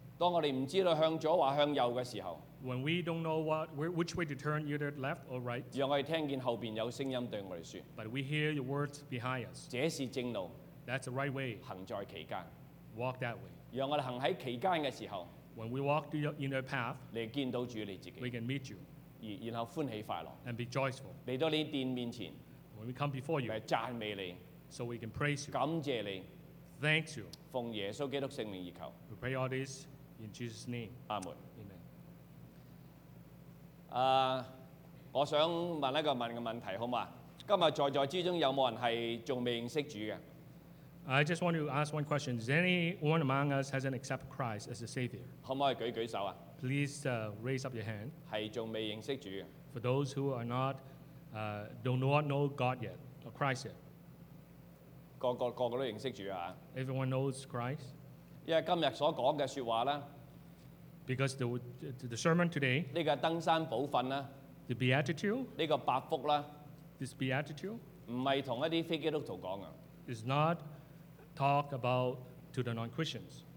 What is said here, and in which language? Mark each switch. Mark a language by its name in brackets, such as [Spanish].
[Chinese] 当我们不知道向左或向右的时候, [English] when we don't know which way to turn, either left or right, [Chinese] 让我们听见后面有声音对我们说, [English] but we hear your words behind us. [Chinese] 这是正路, [English] that's the right way. [Chinese] 行在其间, [English] walk that way. [Chinese] 让我们行在其间的时候, [English] when we walk in the path, [Chinese] 你见到主你自己, [English] we can meet you. [Chinese] 然后欢喜快乐 [English] and be joyful. [Chinese] 来到你殿面前 [English] when we come before you, [Chinese] 来赞美你 [English] so we can praise you, [Chinese] 感谢你 [English] thanks you. [Chinese] 奉耶稣基督圣名而求 [English] we pray all this in Jesus' name. [Chinese] 阿门 [English] Amen. [Chinese] 我想问一个问的问题，好吗？今天在座之中有没有人是还未认识主的？ [English] I just want to ask one question. Is anyone among us hasn't accepted Christ as a Savior? [Chinese] 可不可以举举手啊？ [English] Please raise up your hand. [Chinese] 是还未认识主。 [English] For those who are not, don't know God yet, or Christ yet. [Chinese] 个都认识主啊。 [English] Everyone knows Christ. [Chinese] 因为今天所说的说话呢, [English] because the sermon today, [Chinese] 这个登山宝训呢, [English] the beatitude, [Chinese] 这个百福呢, [English] this beatitude, [Chinese] 不是跟一些非基督徒说的, [English] is not talk about to the non-Christians.